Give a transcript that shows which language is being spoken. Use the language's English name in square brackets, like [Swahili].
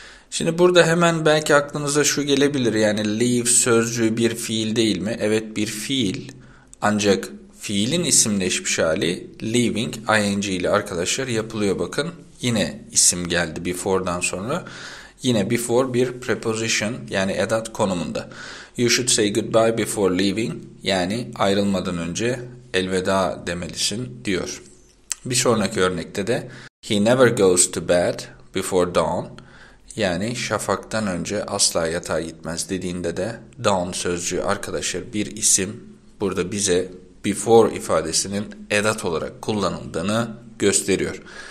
[Turkish] Şimdi burada hemen belki aklınıza şu gelebilir. Yani leave sözcüğü bir fiil değil mi? Evet, bir fiil. Ancak fiilin isimleşmiş hali leaving, ing ile arkadaşlar yapılıyor bakın. Yine isim geldi before'dan sonra. Yine before bir preposition yani edat konumunda. [English] You should say goodbye before leaving. [Turkish] Yani ayrılmadan önce elveda demelisin diyor. Bir sonraki örnekte de [English] he never goes to bed before dawn. [Turkish] Yani şafaktan önce asla yatağa gitmez dediğinde de dawn sözcüğü arkadaşlar bir isim burada bize before ifadesinin edat olarak kullanıldığını gösteriyor.